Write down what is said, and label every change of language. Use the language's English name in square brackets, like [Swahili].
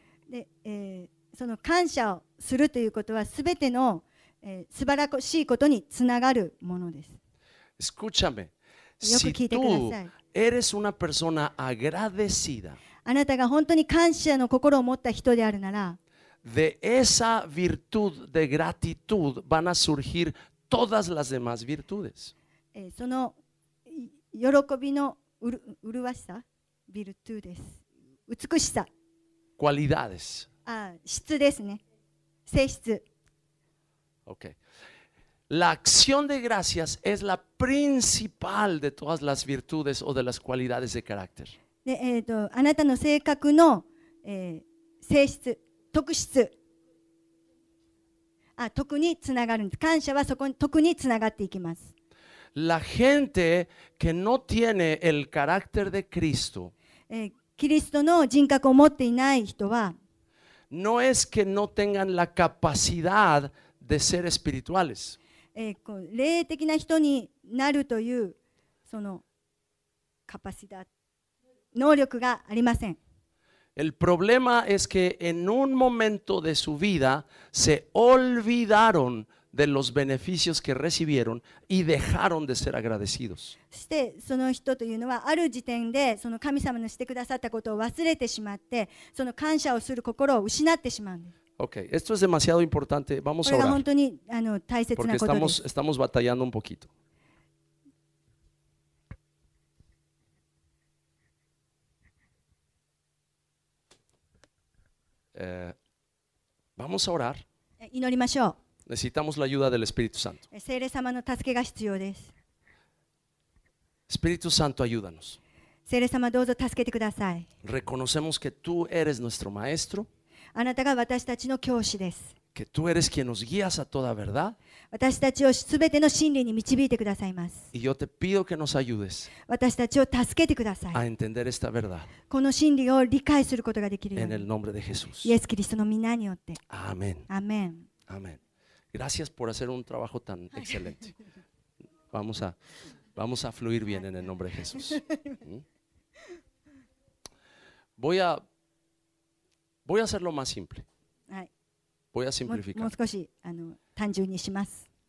[Japanese] De, その感謝をするということは全ての、素晴らしいことにつながるものです。 [Spanish] Escúchame, si tú eres una persona agradecida, [Japanese] あなたが本当に感謝の心を持った人であるなら、 [Spanish] De esa virtud de gratitud van a surgir todas las demás virtudes. [Japanese] その喜びの麗しさ virtudes 美しさ [Spanish] cualidades [Japanese] 質ですね性質 Okay. [Spanish] La acción de gracias es la principal de todas las virtudes o de las cualidades de carácter. [Japanese] で、あなたの性格の、性質特質あ特につながるんです感謝はそこに特につながっていきます [Spanish] La gente que no tiene el carácter de Cristo [Japanese] キリストの人格を持っていない人は [Spanish] No es que no tengan la capacidad de ser espirituales [Japanese] 霊的な人になるというそのカパシダ能力がありません [Spanish] El problema es que en un momento de su vida se olvidaron de los beneficios que recibieron y dejaron de ser agradecidos. [Japanese] そしてその人というのはある時点でその神様のしてくださったことを忘れてしまってその感謝をする心を失ってしまうんです。 [Spanish] Okay, esto es demasiado importante. Vamos a orar. [Japanese] これが本当に大切なことです。 [Spanish] Porque estamos batallando un poquito. Vamos a orar. [Japanese] 祈りましょう。 [Spanish] Necesitamos la ayuda del Espíritu Santo. [Japanese] 聖霊様の助けが必要です。 [Spanish] Espíritu Santo, ayúdanos. [Japanese] 聖霊様どうぞ助けてください。 [Spanish] Reconocemos que tú eres nuestro maestro. [Japanese] あなたが私たちの教師です。 [Spanish] Que tú eres quien nos guías a toda verdad. [Japanese] 私たちをすべての真理に導いてくださいます。 [Spanish] Y yo te pido que nos ayudes. [Japanese] 私たちを助けてください。 [Spanish] A entender esta verdad. [Japanese] この真理を理解することができるように。 [Spanish] En el nombre de Jesús. [Japanese] イエス・キリストの御名によって。 [Spanish] Amén. Amén. Amén. Gracias por hacer un trabajo tan excelente. Vamos a fluir bien en el nombre de Jesús. Voy a hacerlo más simple. Voy a simplificar. [Japanese] もう少し単純にします。